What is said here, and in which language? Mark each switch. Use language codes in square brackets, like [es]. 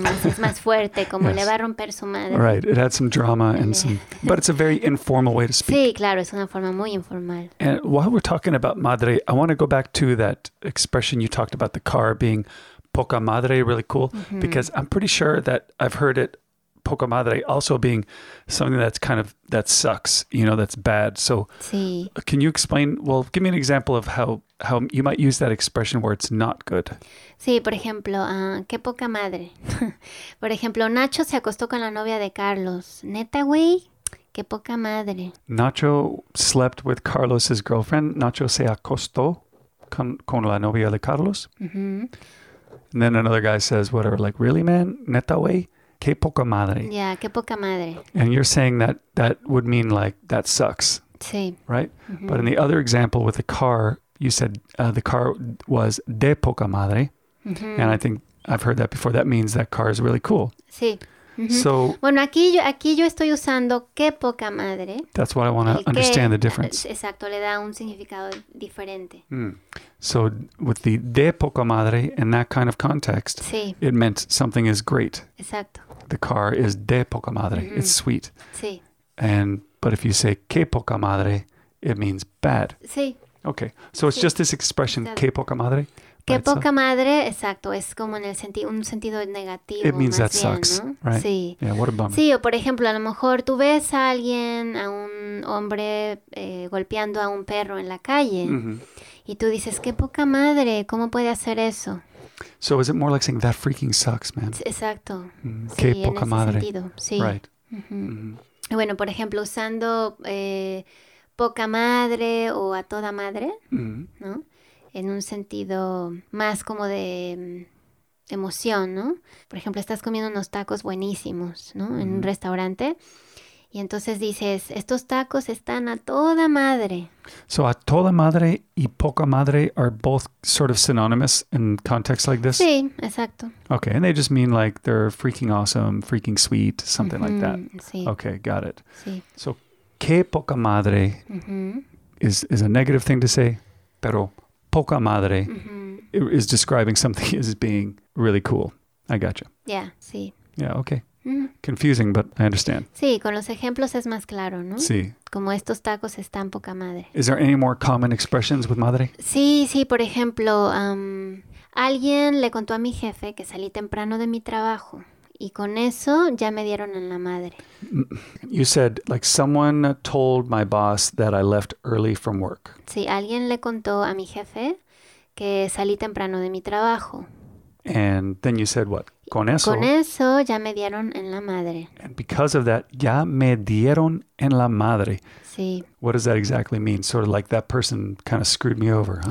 [es] Más, es más fuerte, como le va a romper su madre. [en] Right, it had some drama and some, but it's a very informal way to speak. [es] Sí, claro, es una forma muy informal. [en] And while we're talking about madre, I want to go back to that expression you talked about, the car being poca madre, really cool, because I'm pretty sure that I've heard it, poca madre, also being something that's kind of, that sucks, you know, that's bad. So can you explain, well, give me an example of how you might use that expression where it's not good. [es] Sí, por ejemplo, qué poca madre. Por ejemplo, Nacho se acostó con la novia de Carlos. Neta, güey, qué poca madre. [en] Nacho slept with Carlos's girlfriend. [es] Nacho se acostó con la novia de Carlos. [en] And then another guy says, whatever, like, really, man? [es] Neta, güey? Qué poca madre. Yeah, qué poca madre. [en] And you're saying that that would mean like that sucks. [es] Sí. [en] Right? Mm-hmm. But in the other example with the car, you said the car was de poca madre. Mm-hmm. And I think I've heard that before. That means that car is really cool. [es] Sí. [en] Mm-hmm. So, [es] bueno, aquí yo estoy usando qué poca madre. [en] That's what I want to understand the difference. [es] Exacto, le da un significado diferente. Mm. [en] So with the de poca madre in that kind of context, it meant something is great. [es] Exacto. [en] The car is de poca madre. Mm-hmm. It's sweet. [es] Sí. [en] And but if you say qué poca madre, it means bad. [es] Sí. [en] Okay. So it's just this expression, [es] exacto, qué poca madre. Qué poca madre, exacto, es como en el un sentido negativo. [en] It means [es] más bien, [en] sucks, [es] ¿no? [en] Right? [es] Sí. [en] Yeah, what a bummer. [es] Sí, o por ejemplo, a lo mejor tú ves a alguien, a un hombre golpeando a un perro en la calle, y tú dices, qué poca madre, ¿cómo puede hacer eso? [en] So is it more like saying, that freaking sucks, man? [es] Exacto. Mm-hmm. Qué sí, poca en ese madre. Sentido. Sí. [en] Right. Mm-hmm. [es] Bueno, por ejemplo, usando poca madre o a toda madre, ¿no? En un sentido más como de emoción, ¿no? Por ejemplo, estás comiendo unos tacos buenísimos, ¿no? En un restaurante. Y entonces dices, estos tacos están a toda madre. [en] So, a toda madre y poca madre are both sort of synonymous in contexts like this? [es] Sí, exacto. [en] Okay, and they just mean like they're freaking awesome, freaking sweet, something like that. [es] Sí. [en] Okay, got it. [es] Sí. [en] So, qué poca madre is a negative thing to say, [es] pero poca madre [en] is describing something as being really cool. I gotcha. Yeah, sí. Yeah, okay. Confusing, but I understand. [es] Sí, con los ejemplos es más claro, ¿no? Sí. Como estos tacos están poca madre. [en] Is there any more common expressions with madre? [es] Sí, sí, por ejemplo, alguien le contó a mi jefe que salí temprano de mi trabajo y con eso ya me dieron en la madre. [en] You said, like, someone told my boss that I left early from work. [es] Sí, alguien le contó a mi jefe que salí temprano de mi trabajo. [en] And then you said what? [es] Con eso ya me dieron en la madre. [en] And because of that, [es] ya me dieron en la madre. Sí. [en] What does that exactly mean? Sort of like that person kind of screwed me over, huh?